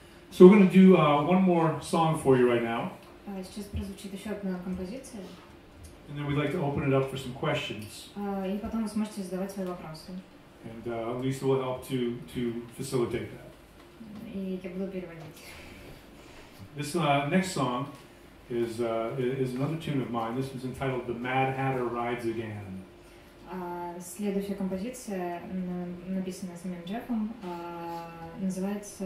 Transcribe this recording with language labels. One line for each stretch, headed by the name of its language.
English: So we're going to do one more song for you right now.
Russian: Сейчас прозвучит еще одна композиция.
English: And then we'd like to open it up for some questions.
Russian: И потом вы сможете задавать свои вопросы.
English: And Lisa will help to facilitate that.
Russian: И я буду переводить.
English: This next song is another tune of mine. This one's entitled "The Mad Hatter Rides Again."
Russian: Следующая композиция, написанная самим Джеком, называется.